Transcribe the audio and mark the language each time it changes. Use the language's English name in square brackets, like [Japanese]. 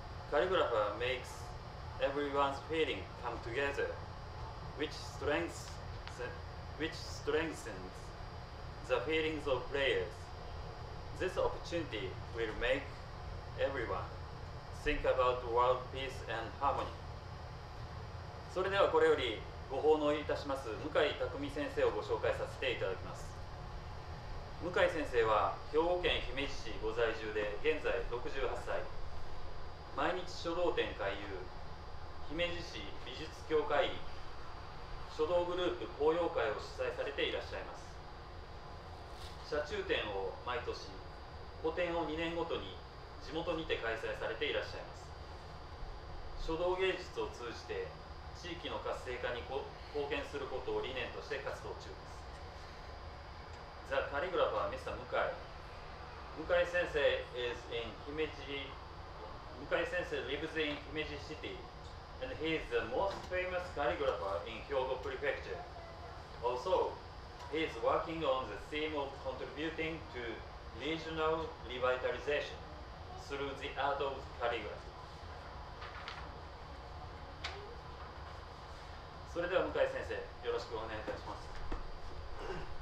[English] Calligrapher makes everyone's feeling come together, which strengthens the feelings of players. This opportunity will make everyone think about world peace and harmony. [Japanese] それではこれよりご奉納いたします向井琢美先生をご紹介させていただきます。向井先生は兵庫県姫路市ご在住で現在68歳、毎日書道展回遊、姫路市美術協会員、書道グループ高揚会を主催されていらっしゃいます。車中展を毎年、個展を2年ごとに地元にて開催されていらっしゃいます。書道芸術を通じて地域の活性化に貢献することを理念として活動中です。 [English] The calligrapher, Mr. Mukai. Mukai Sensei is in Himeji. Mukai Sensei lives in Himeji City, and he is the most famous calligrapher in Hyogo Prefecture. Also, he is working on the theme of contributing to regional revitalization through the art of calligraphy. [Japanese] それでは向井先生、よろしくお願いいたします。